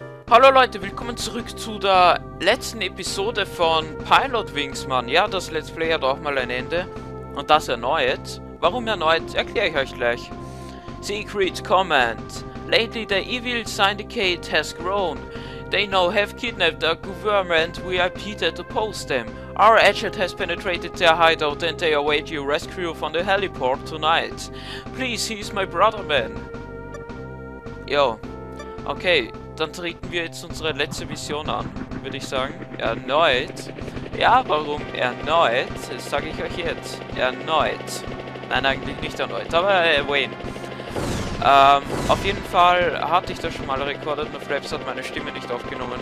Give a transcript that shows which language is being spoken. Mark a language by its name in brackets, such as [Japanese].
[German] Hallo Leute, willkommen zurück zu der letzten Episode von Pilot Wings, Mann. Ja, das Let's Play hat auch mal ein Ende. Und das erneut. Warum erneut, erkläre ich euch gleich. [English] Secret Command. Lately the evil syndicate has grown. They now have kidnapped a government VIP that opposed them. Our agent has penetrated their hideout and they await your rescue from the heliport tonight. Please, he's my brother, man. Yo. Okay. [German] Dann treten wir jetzt unsere letzte Mission an, würde ich sagen. Erneut. Ja, warum erneut? Das sage ich euch jetzt. Erneut. Nein, eigentlich nicht erneut, aber Wayne. Auf jeden Fall hatte ich das schon mal recorded, nur Flaps hat meine Stimme nicht aufgenommen.